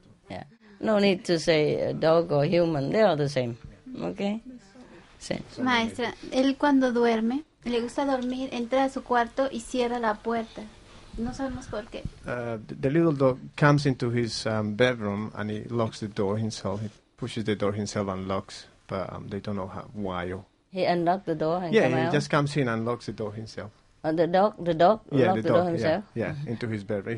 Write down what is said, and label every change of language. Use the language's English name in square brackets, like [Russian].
[English] Yeah. No need to say a dog or human, they are the same. Okay? [Spanish] Sí. Maestra, él cuando duerme, le gusta dormir, entra a su cuarto y cierra la puerta. No sabemos por qué. [English] The little dog comes into his bedroom and he locks the door himself. He pushes the door himself and locks, but they don't know how, why. He unlocked the door and yeah, come out? Yeah, he just comes in and locks the door himself. The dog yeah, locked the dog, door himself? Yeah, yeah, into his bedroom.